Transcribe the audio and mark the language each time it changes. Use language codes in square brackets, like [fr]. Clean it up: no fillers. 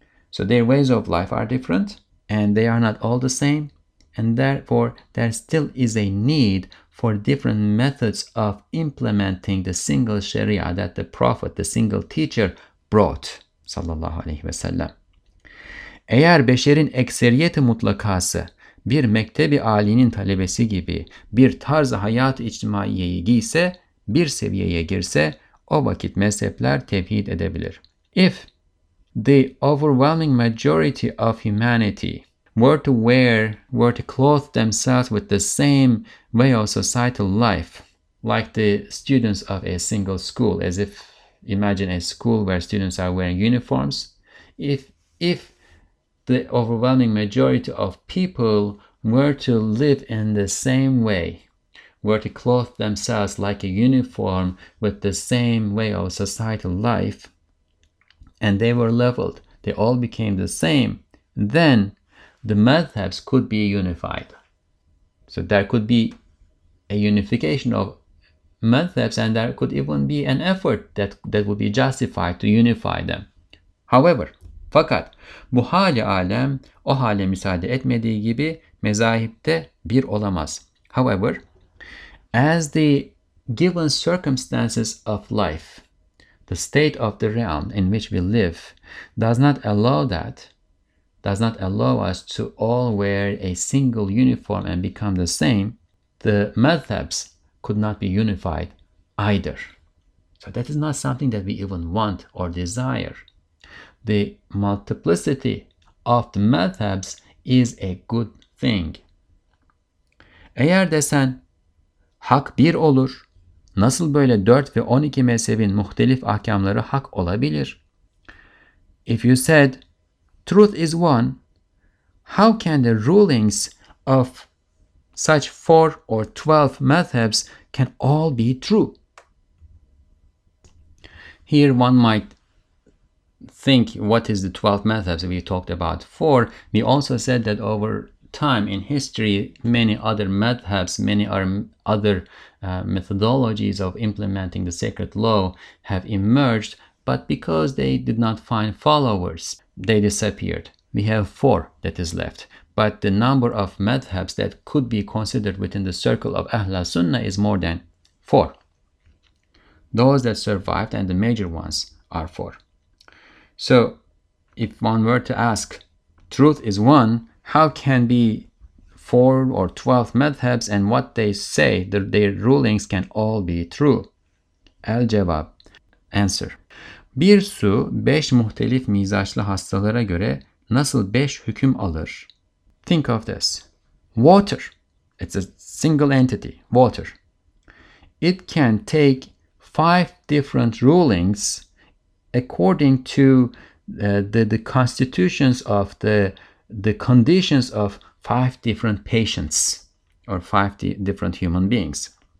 [en] So their ways of life are different, and they are not all the same, and therefore there still is a need for different methods of implementing the single sharia that the prophet, the single teacher, brought, [ar] sallallahu aleyhi ve sellem. [tr] Eğer beşerin ekseriyeti mutlakası bir mektebi alinin talebesi gibi bir tarzı hayat-ı içtimaiyeyi giyse, bir seviyeye girse, o vakit mezhepler tevhid edebilir. [en] If the overwhelming majority of humanity were to clothe themselves with the same way of societal life, like the students of a single school, as if, imagine a school where students are wearing uniforms. If the overwhelming majority of people were to live in the same way, were to clothe themselves like a uniform with the same way of societal life, and they were leveled, they all became the same, then the madhabs could be unified. So there could be a unification of madhabs, and there could even be an effort that would be justified to unify them. [tr] However, fakat bu hali alem o hale müsaade etmediği gibi mezahipte bir olamaz. [en] However, as the given circumstances of life, the state of the realm in which we live, does not allow us to all wear a single uniform and become the same, the madhabs could not be unified either. So that is not something that we even want or desire. The multiplicity of the madhabs is a good thing. [tr] Eğer desen, hak bir olur, nasıl böyle 4 ve 12 mezhebin muhtelif ahkamları hak olabilir? [en] If you said, truth is one, how can the rulings of such 4 or 12 mezhebs can all be true? Here one might think, what is the 12 mezhebs we talked about? 4, we also said that over time in history, many other madhabs, many other methodologies of implementing the sacred law have emerged, but because they did not find followers, they disappeared. We have 4 that is left, but the number of madhabs that could be considered within the circle of Ahl al-Sunnah is more than 4. Those that survived and the major ones are 4. So if one were to ask, truth is one, how can be 4 or 12 madhhabs and what they say, their rulings can all be true? El-Cevab, answer. [tr] Bir su 5 muhtelif mizaçlı hastalara göre nasıl 5 hüküm alır? [en] Think of this. Water, it's a single entity, water. It can take 5 different rulings according to the constitutions of the conditions of 5 different patients or 5 different human beings.